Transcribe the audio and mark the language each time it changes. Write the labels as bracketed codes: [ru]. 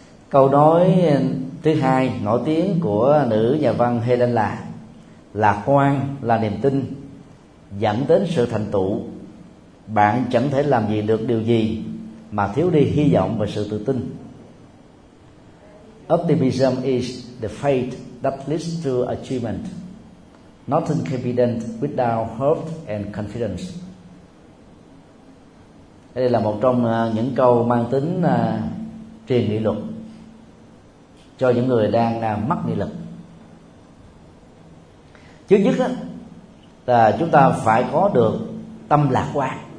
[vi] Câu nói thứ hai nổi tiếng của nữ nhà văn Helen là: lạc quan là niềm tin dẫn đến sự thành tựu. Bạn chẳng thể làm gì được điều gì mà thiếu đi hy vọng và sự tự tin. [en] Optimism is the faith that leads to achievement. Nothing can be done without hope and confidence. [vi] Đây là một trong những câu mang tính truyền nghị lực cho những người đang mắc nghị lực. Thứ nhất đó, là chúng ta phải có được tâm lạc quan.